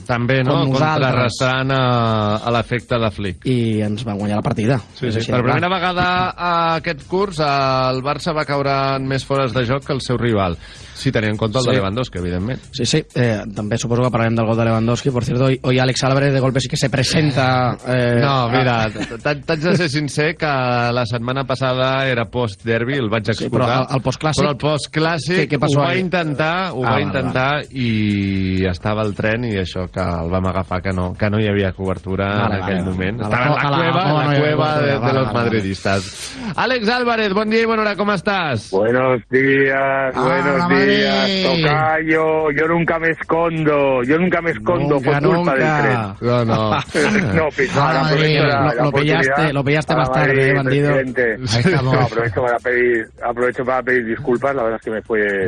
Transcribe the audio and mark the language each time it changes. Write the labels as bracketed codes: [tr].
[ca] També, no? Contrarrestant a l'efecte de Flick. I ens va guanyar la partida. Sí, sí. Per primera vegada aquest curs, el Barça va caure en més fores de joc que el seu rival. Si tenia en compte el de Lewandowski, evidentment. Sí, sí. També suposo que parlarem del gol de Lewandowski. [es] Por cierto, hoy Alex Álvarez de golpe sí que se presenta... [ca] No, mira, t'haig de ser sincer que la setmana passada era post-derbi, el vaig explicar. Sí, però el post-clàssic... Però el post-clàssic... Què passa? Ho va intentar i estava al tren i això que el vam agafar que no hi havia cobertura moment. Estava a la cueva, [es] de los madridistas. [ca] Àlex Álvarez, bon dia i bona hora, com estàs? [es] Buenos días, tocayo, yo nunca me escondo por culpa del tren. No. No, pisara, lo pillaste más tarde, bandido. Aprovecho para pedir disculpas, la verdad es que me fue...